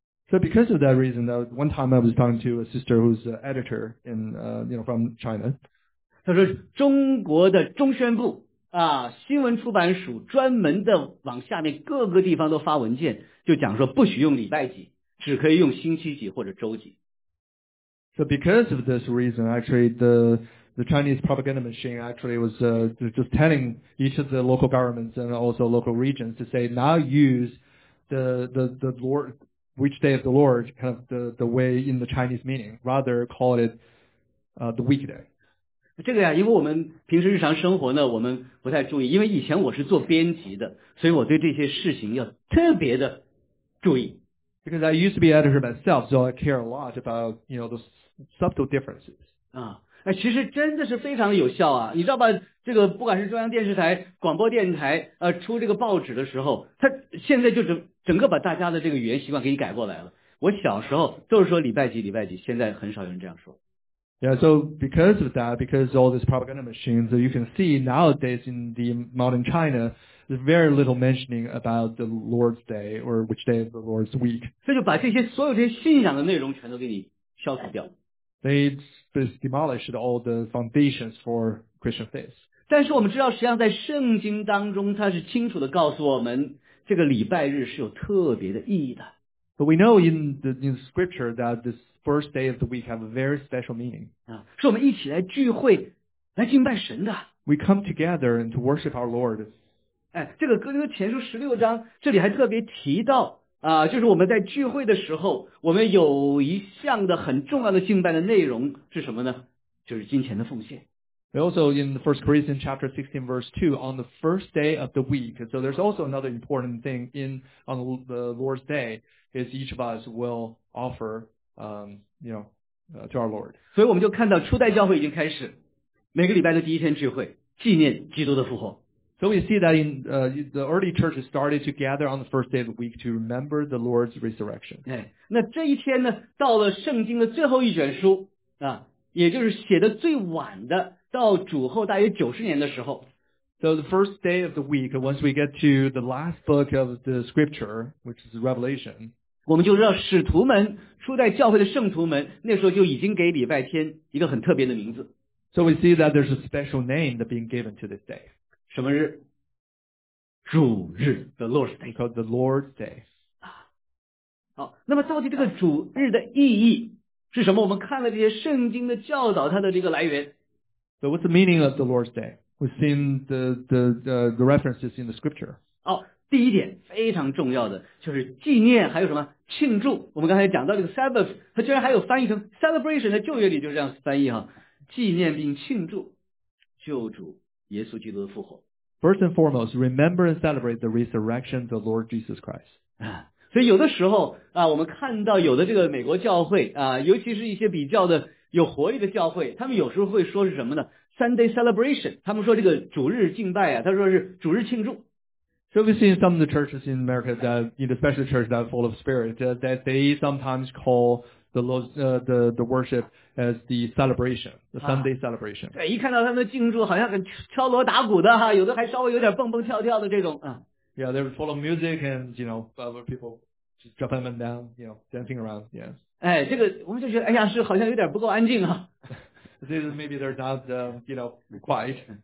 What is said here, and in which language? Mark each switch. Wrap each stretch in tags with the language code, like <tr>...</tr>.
<en>So because of that reason, that one time I was talking to a sister who's an editor in, you know, from China.</en> <zh>她说中国的中宣部啊，新闻出版署专门的往下面各个地方都发文件，就讲说不许用礼拜几，只可以用星期几或者周几。</zh> <en>So because of this reason, actually the Chinese propaganda machine actually was just telling each of the local governments and also local regions to say now use the Lord, which day of the Lord, kind of the way in the Chinese meaning, rather call it the weekday.</en> <zh>这个呀，因为我们平时日常生活呢，我们不太注意，因为以前我是做编辑的，所以我对这些事情要特别的注意。</zh> <en>Because I used to be editor myself, so I care a lot about, you know, the subtle differences.</en> <zh>啊，哎，其实真的是非常有效啊！你知道吧？这个不管是中央电视台、广播电台，出这个报纸的时候，它现在就整个把大家的这个语言习惯给你改过来了。我小时候都是说礼拜几礼拜几，现在很少有人这样说。</zh> <en>Yeah, so because of that, because all these propaganda machines, so you can see nowadays in the modern China, there's very little mentioning about the Lord's Day or which day of the Lord's week.</en> <zh>这就把这些所有这些信仰的内容全都给你消除掉。</zh> <en>They demolished all the foundations for Christian faith.</en> <zh>但是我们知道，实际上在圣经当中，它是清楚的告诉我们，这个礼拜日是有特别的意义的。</zh> <en>But we know in scripture that this first day of the week have a very special meaning.</en> <zh>啊，是我们一起来聚会，来敬拜神的。</zh> <en>We come together and to worship our Lord.</en> <zh>哎，这个哥林多前书十六章这里还特别提到。啊，就是我们在聚会的时候，我们有一项的很重要的敬拜的内容是什么呢？就是金钱的奉献。</zh> <en>Also in the First Corinthians chapter 16 verse 2, on the first day of the week, so there's also another important thing in on the Lord's day is each of us will offer, you know, to our Lord.</en> <zh>所以我们就看到初代教会已经开始每个礼拜的第一天聚会，纪念基督的复活。</zh> <en>So we see that in the early church started to gather on the first day of the week to remember the Lord's resurrection.</en> <zh>哎，那这一天呢，到了圣经的最后一卷书啊，也就是写的最晚的，到主后大约90年的时候。</zh> <en>So the first day of the week, once we get to the last book of the scripture, which is Revelation,</en> <zh>我们就知道使徒们，初代教会的圣徒们，那时候就已经给礼拜天一个很特别的名字。</zh> <en>So we see that there's a special name that being given to this day.</en> <zh>什么日？主日</zh> <en>，the Lord's Day，called the Lord's Day。啊，</en> <zh>那么到底这个主日的意义是什么？我们看了这些圣经的教导，它的这个来源。</zh> <en>So what's the meaning of the Lord's Day? We've seen the references in the scripture.</en> <zh>第一点非常重要的就是纪念，还有什么庆祝？我们刚才讲到这个 Sabbath， 它居然还有翻译成 celebration， 在旧约里就是这样翻译哈，纪念并庆祝救主耶稣基督的复活。</zh> <en>First and foremost, remember and celebrate the resurrection of the Lord Jesus Christ.</en> <zh>所以有的时候啊，我们看到有的这个美国教会啊，尤其是一些比较的有活力的教会，他们有时候会说是什么呢？</zh> <en>Sunday celebration，</en> <zh>他们说这个主日敬拜啊，他说是主日庆祝。</zh> <en>So we've seen some of the churches in America that, you know, especially churches that are full of spirit, that they sometimes call the worship as the celebration, the Sunday celebration.</en> <zh>对，一看到他们的庆祝，好像很敲锣打鼓的哈，有的还稍微有点蹦蹦跳跳的这种啊。</zh> <en>Yeah, they're full of music and, you know, other people just jump up and down, you know, dancing around. Yes.</en> <zh>哎，这个我们就觉得，哎呀，是好像有点不够安静啊。</zh> <en>This is maybe they're not, you know, quiet.</en>